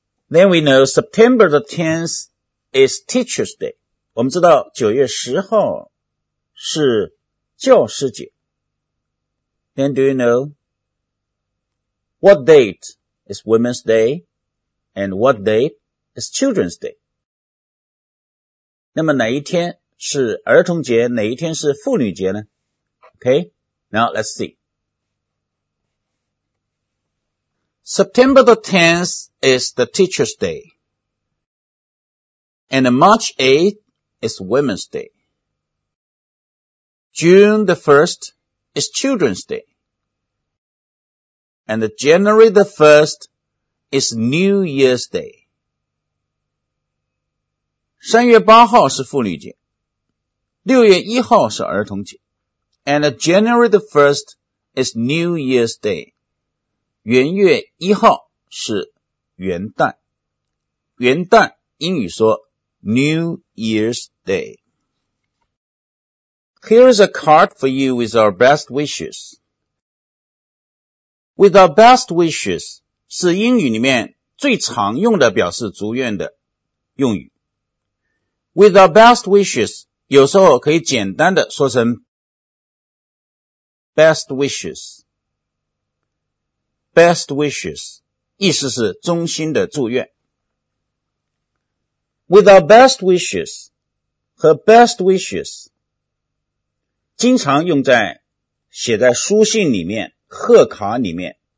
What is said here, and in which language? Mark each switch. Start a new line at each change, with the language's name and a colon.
English: Then we know September the 10th is Teacher's Day.
Chinese: 我们知道9月10号是教师节。
English: Then do you know what date is Women's Day and what date is Children's Day?
Chinese: 那么哪一天是儿童节，哪一天是妇女节呢？
English: Okay, now let's see. September the 10th is the Teacher's Day, and March 8th is Women's Day. June the 1st is Children's Day, and January the 1st is New Year's Day.
Chinese: 3月8号是妇女节，6月1号是儿童节，
English: and January the 1st is New Year's Day.
Chinese: 元月一号是元旦，元旦英语说 New Year's Day.
English: Here is a card for you with our best wishes. With our best wishes
Chinese: 是英语里面最常用的表示祝愿的用语。
English: With our best wishes
Chinese: 有时候可以简单的说成
English: best wishes. Best wishes,
Chinese: 意思是衷心的祝愿。
English: With our best wishes
Chinese: 和
English: best wishes
Chinese: 经常用在写在书信里面、贺卡里面。